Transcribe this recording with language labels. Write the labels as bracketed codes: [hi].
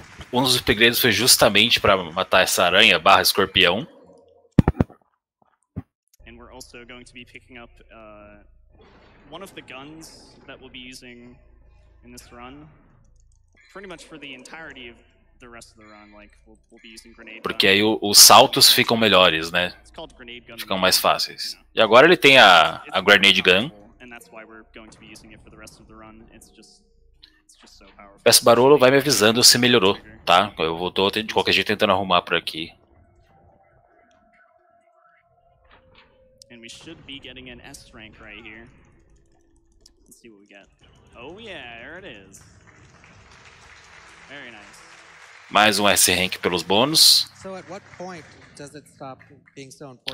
[pt] Um dos segredos foi justamente para matar essa aranha barra escorpião. [en] And we're also going to be picking up one of the guns that we'll be using in this run. Pretty much for the entirety of the rest of the run, like we'll be using grenade guns. [pt] Porque aí os saltos ficam melhores, né? Ficam mais fáceis. E agora ele tem a grenade gun. [en] And that's why we're going to be using it for the rest of the run. It's just... [pt] Peço barulho, vai me avisando se melhorou, tá? Eu vou de qualquer jeito tentando arrumar por aqui. [en] And we should be getting an S rank right here. Let's see what we get. Oh yeah, there it is. Very nice. [pt] Mais um S rank pelos bônus. [en] So at what point does it stop being so important?